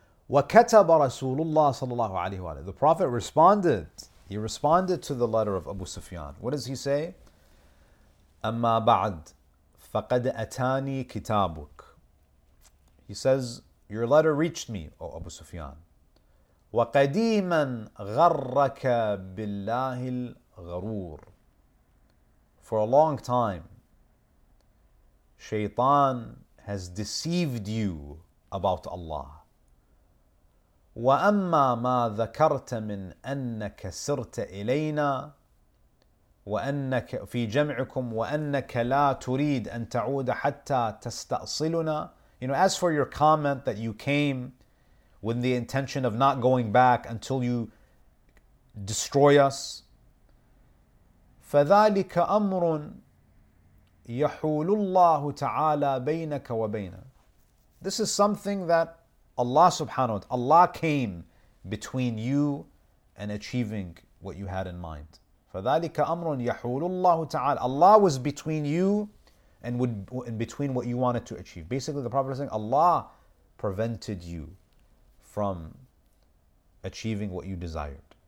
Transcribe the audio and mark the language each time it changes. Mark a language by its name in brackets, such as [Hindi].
[Arabic] وكتب رسول الله صلى الله عليه وآله. [English] The Prophet responded. He responded to the letter of Abu Sufyan. What does he say? [Arabic] أما بعد فقد أتاني كتابك. [English] He says, your letter reached me, O Abu Sufyan. [Arabic] وقديما غرك بالله الغرور. [English] For a long time, Shaytan has deceived you about Allah. [Arabic] وأما ما ذكرت من أنك سرت إلينا وأنك في جمعكم وأنك لا تريد أن تعود حتى تستأصلنا. [English] You know, as for your comment that you came with the intention of not going back until you destroy us. [Arabic] فذلك أمر يحول الله تعالى بينك وبينه. [English] This is something that Allah subhanahu wa ta'ala, Allah came between you and achieving what you had in mind. [Arabic] فَذَلِكَ أَمْرٌ يَحُولُ اللَّهُ تَعَالَى. [English] Allah was between you and would in between what you wanted to achieve. Basically, the Prophet is saying, Allah prevented you from achieving what you desired.